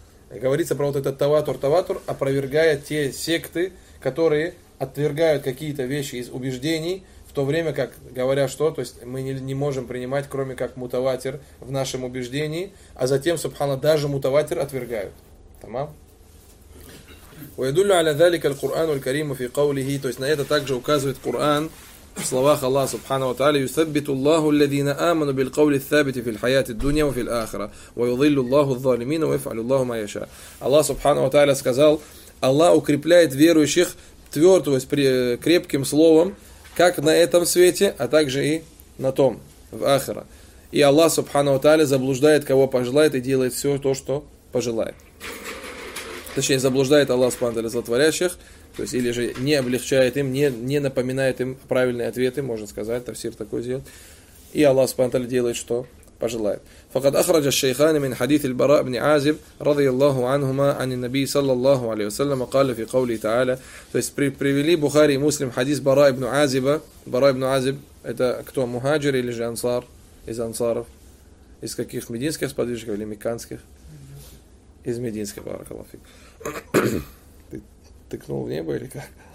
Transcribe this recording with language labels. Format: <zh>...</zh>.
<ru>говорится про вот этот таватур, опровергая те секты, которые отвергают какие-то вещи из убеждений, в то время как, говоря что, то есть мы не можем принимать, кроме как мутаватир в нашем убеждении, а затем, субханаллах, даже мутаватир отвергают. Тамам?</ru> <ar>وَيَدُلُّ عَلَى ذَلِكَ الْقُرْآنُ الْكَرِيمُ فِي قَوْلِهِ.</ar> <ru>То есть на это также указывает Коран в словах Аллаха Субхана ва Тааля:</ru> <ar>يُثَبِّتُ اللَّهُ الَّذِينَ آمَنُوا بِالْقَوْلِ الثَّابِتِ فِي الْحَيَاةِ الدُّنْيَا وَفِي الْآخِرَةِ وَيُضِلُّ اللَّهُ الظَّالِمِينَ وَيَفْعَلُ اللَّهُ مَا يَشَاءُ.</ar> <ru>Аллах Субхана ва Тааля сказал: Аллах укрепляет верующих твердым, крепким словом, как на этом свете, а также и на том, в ахира. И Аллах Субхана ва Тааля заблуждает кого пожелает и делает все то, что пожелает. Точнее, заблуждает Аллах Субхана ва Тааля злотворящих, то есть или же не облегчает им, не напоминает им правильные ответы, можно сказать, тафсир такой сделает. И Аллах Субхана ва Тааля делает, что пожелает.</ru> <ar>فقد أخرج الشيخان من حديث البراء بن عازب رضي الله عنهما عن النبي صلى الله عليه وسلم قال في قوله تعالى.</ar> <ru>То есть привели Бухари и Муслим хадис Бара ибн Азиба. Бара ибн Азиб — это кто, мухаджир или же ансар? Из ансаров. Из каких? Мединских сподвижников или мекканских? Из мединских, баракаллаху фик. Ты тыкнул в небо или как?</ru>